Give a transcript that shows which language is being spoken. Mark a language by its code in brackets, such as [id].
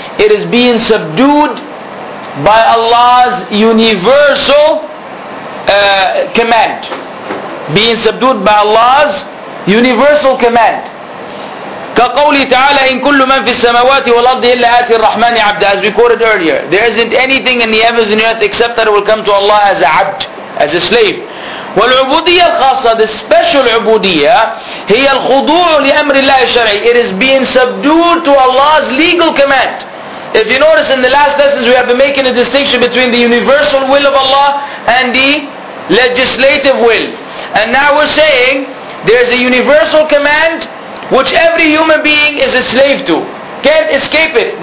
[en] It is being subdued by Allah's universal command. Being subdued by Allah's universal command. [ar] كقوله تعالى إن كل من في السماوات والأرض إلا آتي الرحمن عبدا. [en] As we quoted earlier, there isn't anything in the heavens and the earth except that it will come to Allah as a abd, as a slave. [ar] والعبودية الخاصة, [en] the special [ar] عبودية, هي الخضوع لأمر الله الشرعي. [en] It is being subdued to Allah's legal command. If you notice in the last lessons, we have been making a distinction between the universal will of Allah and the legislative will. And now we're saying there's a universal command which every human being is a slave to. Can't escape it.